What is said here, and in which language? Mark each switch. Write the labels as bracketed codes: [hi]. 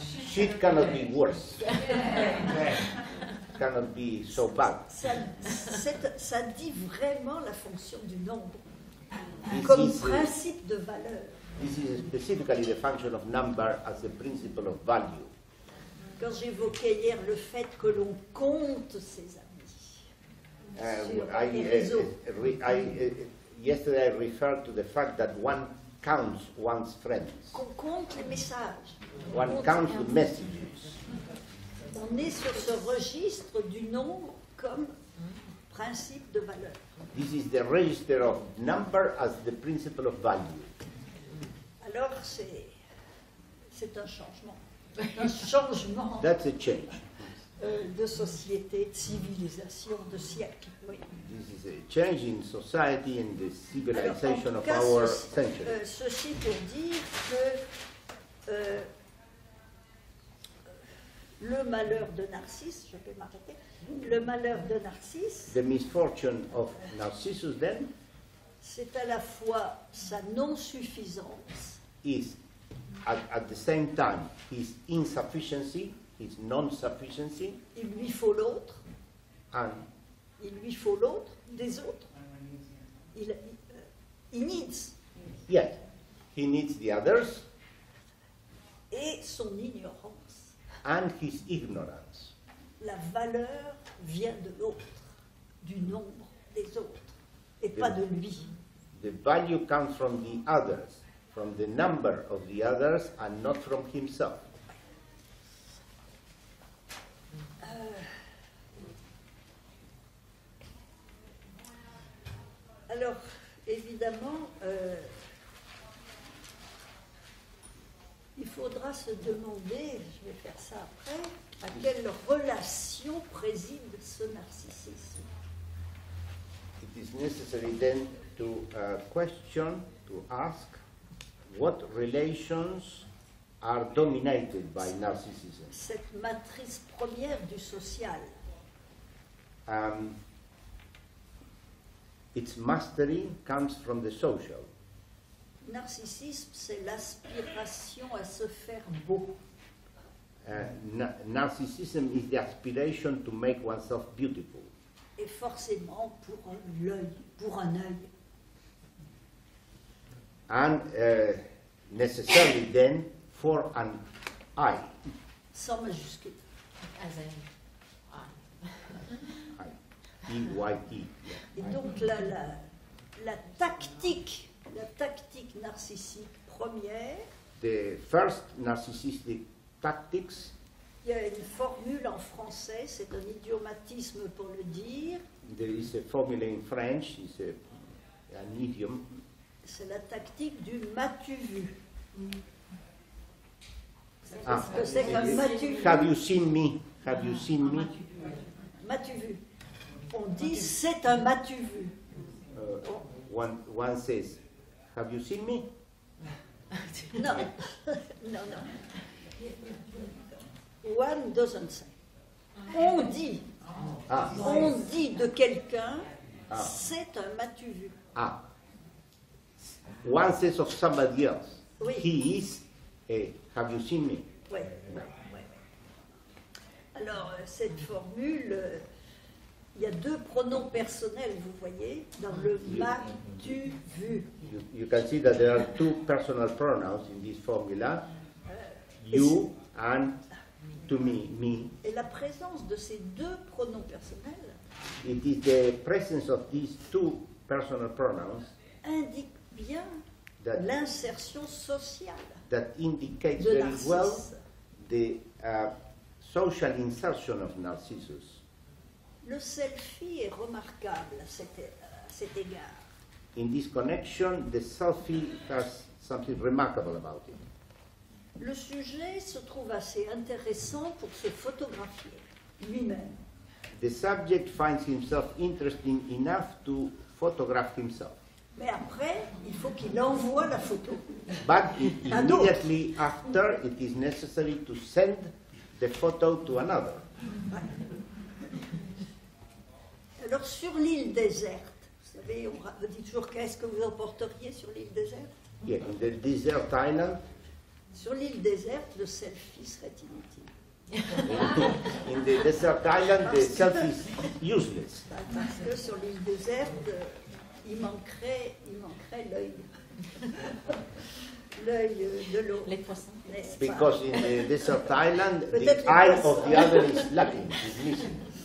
[en] Shit cannot be worse. Cannot be so bad. [fr] Ça dit vraiment la fonction du nombre. Comme principe de valeur. [en] This is specifically the function of number as a principle of value. [fr] Quand j'évoquais hier le fait que l'on compte ses amis sur les réseaux. [en] Yesterday I referred to the fact that one counts one's friends. [fr] Qu'on compte les messages. [en] One counts the messages. [fr] On est sur ce registre du nombre comme principe de valeur. [en] This is the register of number as the principle of value. [fr] Alors c'est un changement. Un changement. [en] That's a change. [fr] De société, de civilisation, de siècle. Oui. [en] This is a change in society and the civilization of our century. [fr] Ceci pour dire que le malheur de Narcisse, je vais m'arrêter. Le malheur de Narcisse. [en] The misfortune of Narcissus, then. [fr] C'est à la fois sa non-suffisance. [en] Is at the same time his insufficiency, his non-sufficiency. [fr] Il lui faut l'autre. [en] And [fr] il lui faut l'autre des autres. [en] He needs. Yes, he needs the others. [fr] Et son ignorance. [en] And his ignorance. [fr] La valeur vient de l'autre, du nombre des autres, et pas de lui. [en] The value comes from the others. From the number of the others and not from himself. [fr] Alors, évidemment, il faudra se demander, je vais faire ça après, à quelle relation préside ce narcissisme. [en] It is necessary then to question, to ask. What relations are dominated by narcissism? [fr] Cette matrice première du social. [en] Its mastery comes from the social. [fr] Narcissisme, c'est l'aspiration à se faire beau. [en] Narcissism is the aspiration to make oneself beautiful. [fr] Et forcément pour l'œil, pour un œil. [en] And necessarily, then, for an I. [fr] Sans majuscule. [en] As an I. E-Y-E. [fr] Et donc, la tactique narcissique première. [en] The first narcissistic tactics. [fr] Il y a une formule en français, c'est un idiomatisme pour le dire. [en] There is a formula in French, it's an idiom. [fr] C'est la tactique du m'as-tu vu. Qu'est-ce que c'est m'as-tu vu? [en] Have you seen me? Have you seen me? [fr] M'as-tu vu? On dit c'est un m'as-tu vu. [en] One says, have you seen me? No. One doesn't say. [fr] On dit de quelqu'un, c'est un m'as-tu vu. [en] Ah. One says of somebody else. [fr] Oui. [en] He is a, have you seen me? [fr] Oui. Alors, cette formule il y a deux pronoms personnels, vous voyez, dans le ma, tu, vu. [en] You can see that there are two personal pronouns in this formula, you and to me, me. [fr] Et la présence de ces deux pronoms personnels, [en] it is the presence of these two personal pronouns, [fr] indique bien [en] that [fr] l'insertion sociale. [en] That indicates very [fr] Narcisse. [en] Well the social insertion of Narcissus. [fr] Le selfie est remarquable à cet égard. [en] In this connection, the selfie has something remarkable about it. [fr] Le sujet se trouve assez intéressant pour se photographier lui-même. The subject finds himself interesting enough to photograph himself. Mais après, il faut qu'il envoie la photo. [en] But immediately after, it is necessary to send the photo to another. [fr] Alors sur l'île déserte, vous savez, on dit toujours qu'est-ce que vous emporteriez sur l'île déserte? [en] Yeah, in the desert island. [fr] Sur l'île déserte, le selfie serait inutile. [en] In the desert island, the selfie is useless. [fr] Parce que sur l'île déserte, il manquerait l'œil. L'œil de l'eau. Les poissons. [en] Because in the desert island, the eye of the other is lacking, is missing.